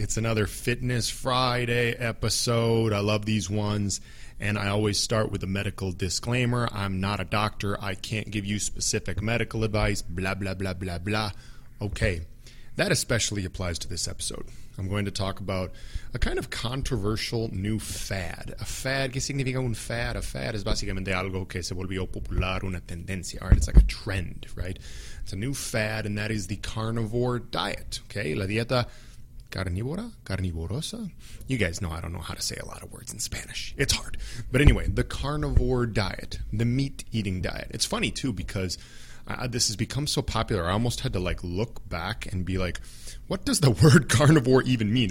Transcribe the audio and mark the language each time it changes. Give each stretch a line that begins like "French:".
English: It's another Fitness Friday episode. I love these ones. And I always start with a medical disclaimer. I'm not a doctor. I can't give you specific medical advice. Blah, blah, blah, blah, blah. Okay. That especially applies to this episode. I'm going to talk about a kind of controversial new fad.
Spanish: A fad, ¿qué significa un fad? A fad es básicamente algo que se volvió popular, una tendencia, right?
English: It's like a trend, right? It's a new fad, and that is the carnivore diet, okay?
Spanish: La dieta carnívora, carnivorosa.
English: You guys know I don't know how to say a lot of words in Spanish. It's hard. But anyway, the carnivore diet, the meat-eating diet. It's funny, too, because this has become so popular, I almost had to like look back and be like, what does the word carnivore even mean?